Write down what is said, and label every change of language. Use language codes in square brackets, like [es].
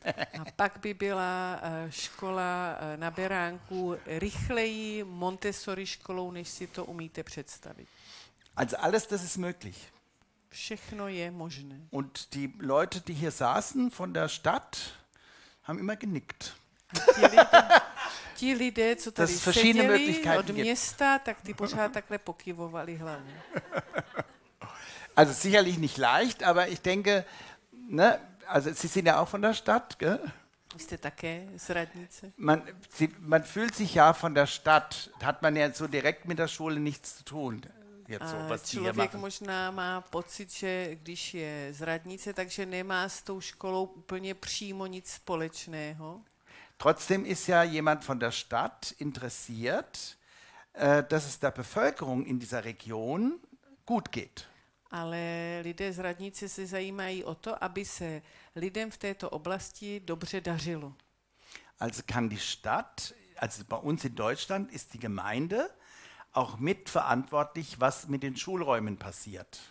[cs] A pak by byla škola na Berankou rychleji Montessori-školou, než si to umíte představit. [de] Also alles, das ist möglich. [cs] Všechno je možné. [de] Und die Leute, die hier saßen von der Stadt, haben immer genickt. [cs] Ti lidé, co tady seděli od města, tak ty pořád takhle pokyvovali hlavně. [de] Also sicherlich nicht leicht, aber ich denke, ne, also sie sind ja auch von der Stadt, gell? [cs] Jste také z radnice? [de] Man fühlt sich ja von der Stadt, hat man ja so direkt mit der Schule nichts zu tun. Jetzt so, was [cs] člověk [de] hier [cs] možná má pocit, že když je z radnice, takže nemá s tou školou úplně přímo nic společného. [de] Trotzdem ist ja jemand von der Stadt interessiert, dass es der Bevölkerung in dieser Region gut geht. [cs] Ale lidé z radnice se zajímají o to, aby se lidem v této oblasti dobře dařilo. [de] Also kann die Stadt, also bei uns in Deutschland ist die Gemeinde auch mitverantwortlich, was mit den Schulräumen passiert.